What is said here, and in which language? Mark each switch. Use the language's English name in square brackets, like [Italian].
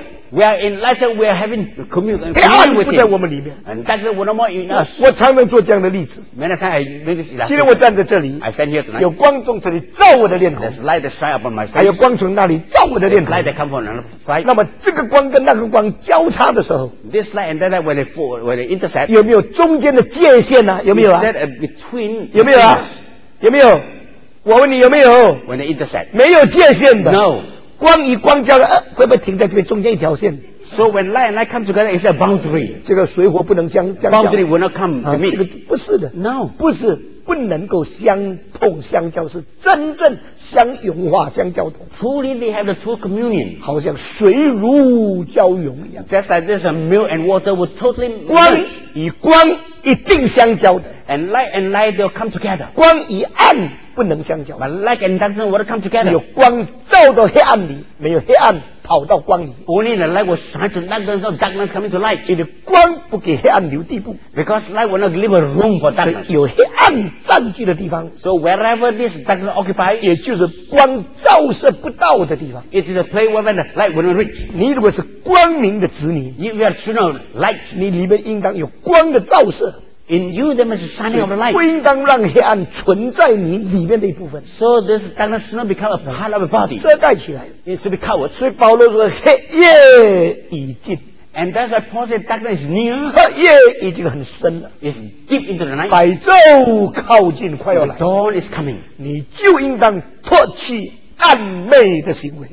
[English] We are enlightened. We are having communion. [Chinese] 黑暗不在我们里面。 [English] And that's what I'm in us. [Chinese] 我常常做这样的例子。 [English] Many times I make this illustration. [Chinese] 今天我站在这里。 [English] I stand here tonight. [Chinese] 有光从这里照我的脸孔。 [English] There's light that shines upon my face. [Chinese] 还有光从那里照我的脸孔。 [English] Light that comes from another side. [Chinese] 那么这个光跟那个光交叉的时候。 [English] This light and that light when they fall, when they intersect. [Chinese] 有没有中间的界限呢？有没有啊 [English] ？Is that a between? [Chinese] 有没有啊？有没有？我问你有没有 [English] ？When they intersect. [Chinese] 没有界限的。 [English] No. [Chinese] 光与光交了，会不会停在这边中间一条线 [English] ？So when light and light come together, it's a boundary. [Chinese] 这个水火不能相交。 [English] Boundary will not come to meet. [Chinese] 这个不是的。 [English] No， [Chinese] 不是不能够相通相交，是真正相融化相交通。 [English] Truly, they have the true communion. [Chinese] 好像水乳交融一样。 [English] Just like this, a milk and water will totally merge. [Chinese] 光与光一定相交的。 [English] And light and light will come together. [Chinese] 光与暗。不能相交。 [English] But light and darkness will come together. [Chinese] 只有光照到黑暗里，没有黑暗跑到光里。 [English] Only the light will shine to darkness, darkness coming to light. [Chinese] 因为光不给黑暗留地步。 [English] Because light will not leave a room for darkness. [Chinese] 所以有黑暗占据的地方。 [English] So wherever this darkness occupies, [Chinese] 也就是光照射不到的地方。 [English] It is a place where the light will not reach. [Chinese] 你如果是光明的子女， [English] you are children of light. [Chinese] 你里面应当有光的照射。 [English] In you, there must be shining of the light. [Chinese] 不应当让黑暗存在你里面的一部分。 [English] So this darkness should not become a part of the body. [Chinese] 遮盖起来。 [English] It should be covered. [Chinese] 所以保罗说黑夜已经。 [English] And that's why Paul said darkness is near. [Chinese] 黑夜已经很深了。 [English] It's deep into the night. [Chinese] 白昼靠近快要来。 [English] The dawn is coming. [Chinese] 你就应当脱去暗昧的行为。